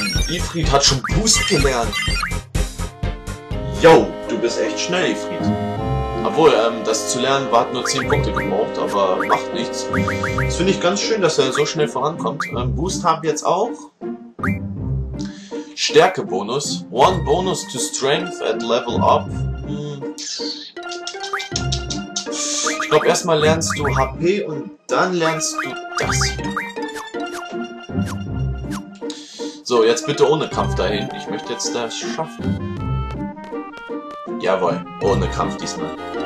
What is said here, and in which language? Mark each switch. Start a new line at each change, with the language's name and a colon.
German: Ifrit hat schon Boost gelernt. Yo, du bist echt schnell, Ifrit. Obwohl, das zu lernen war, hat nur 10 Punkte gebraucht, aber macht nichts. Das finde ich ganz schön, dass er so schnell vorankommt. Boost haben wir jetzt auch.
English: Stärke-Bonus. One bonus to strength at level up.
German: glaube, erstmal lernst du HP und dann lernst du das hier. So, jetzt bitte ohne Kampf dahin. Ich möchte jetzt das schaffen. Jawohl, ohne Kampf diesmal.